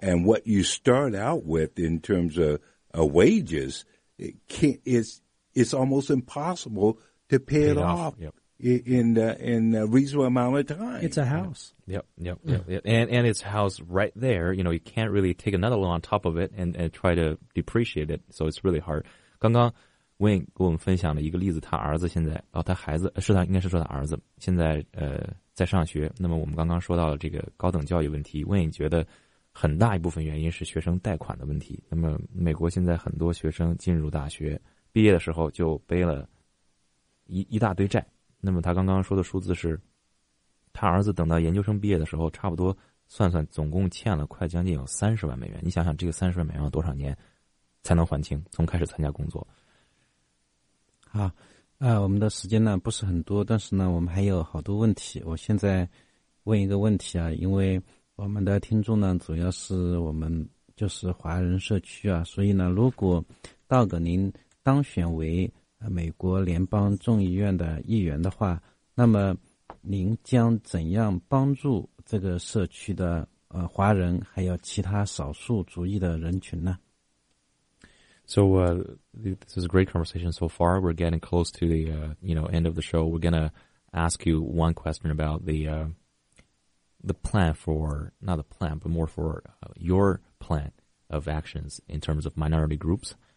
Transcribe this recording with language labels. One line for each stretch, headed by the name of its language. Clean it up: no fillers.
English: And what you start out with in terms of wages, it's almost impossible to pay it off. Yep. In a reasonable amount of time. It's a house. Yep. And it's a house right there. You know, you can't really take another loan on top of it and try to depreciate it. So it's really hard.
Chinese: 刚刚 Wayne 给我们分享了一个例子，他儿子现在，哦，他孩子，是他，应该是说他儿子，现在在上学。那么我们刚刚说到了这个高等教育问题，问你觉得很大一部分原因是学生贷款的问题。那么美国现在很多学生进入大学毕业的时候就背了一大堆债。那么他刚刚说的数字是，他儿子等到研究生毕业的时候，差不多算算总共欠了快将近有30万美元。你想想，这个30万美元要多少年才能还清？从开始参加工作。好。我们的时间呢不是很多，但是呢我们还有好多问题。我现在问一个问题啊，因为我们的听众呢主要是我们就是华人社区啊，所以呢如果道格您当选为美国联邦众议院的议员的话，那么您将怎样帮助这个社区的华人还有其他少数族裔的人群呢？
English: So this is a great conversation so far. We're getting close to the end of the show. We're going to ask you one question about your plan of actions in terms of minority groups.